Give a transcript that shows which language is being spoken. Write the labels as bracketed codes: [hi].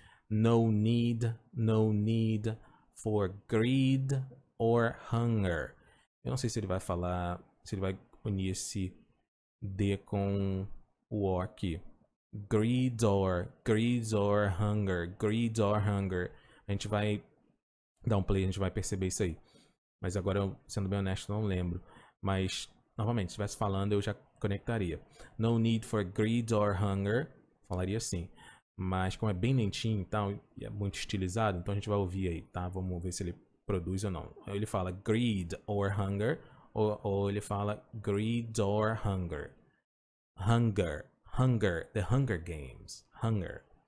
[en] No need for greed or hunger. [pt] Eu não sei se ele vai falar, se ele vai unir esse D com o O aqui. [en] Greed or hunger. [pt] A gente vai dar um play, a gente vai perceber isso aí. Mas agora, sendo bem honesto, não lembro. Mas, novamente, se estivesse falando, eu já conectaria. [en] No need for greed or hunger. [pt] Falaria assim. Mas como é bem lentinho e tal, e é muito estilizado, então a gente vai ouvir aí, tá? Vamos ver se ele produz ou não. Ele fala greed or hunger. Ou ele fala [en] greed or hunger. Hunger, the Hunger Games, hunger.